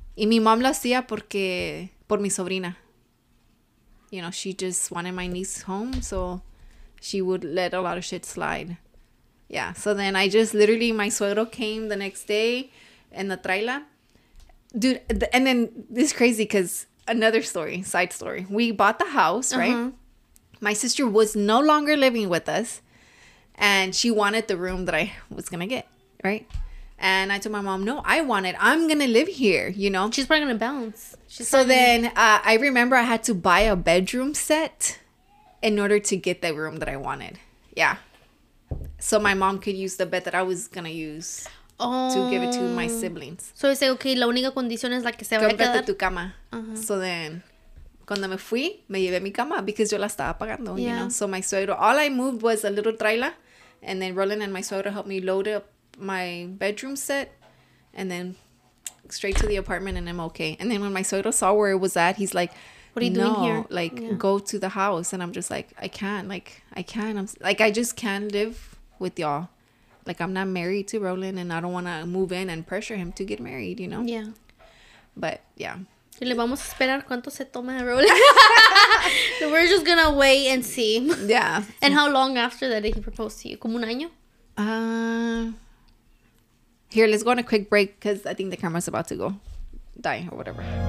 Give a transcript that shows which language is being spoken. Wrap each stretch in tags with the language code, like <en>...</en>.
<es>Y mi mom lo hacía porque, por mi sobrina.</es> <en>You know, she just wanted my niece home, so she would let a lot of shit slide. Yeah, so then I just literally, my suegro came the next day in the trailer. Dude, and then this is crazy because another story, side story. We bought the house, uh-huh. right? My sister was no longer living with us and she wanted the room that I was going to get, right? And I told my mom, no, I want it. I'm going to live here, you know? She's probably going to bounce. I remember I had to buy a bedroom set in order to get the room that I wanted. Yeah. So my mom could use the bed that I was going to use to give it to my siblings. So I said, okay,</en> <es>la única condición es la que se va a quedar. Cómprate tu cama.</es> <en>Uh-huh. So then,</en> <es>cuando me fui, me llevé mi cama</es> <en>because</en> <es>yo la estaba pagando,</es> <en>yeah. you know. So my suegro, all I moved was a little trailer. And then Roland and my suegro helped me load up my bedroom set. And then straight to the apartment and I'm okay. And then when my suegro saw where it was at, he's like, what are you doing here? Like, yeah. Go to the house. And I'm just like, I can't. Like, I can't. I'm like, I just can't live with y'all. Like, I'm not married to Roland, and I don't want to move in and pressure him to get married, you know? Yeah. But, yeah.</en> <es>Le vamos a esperar cuánto se toma de Roland.</es> <en>So we're just gonna wait and see. Yeah. And how long after that did he propose to you?</en> <es>¿Como un año?</es> <en>Here, let's go on a quick break because I think the camera's about to go die or whatever.</en>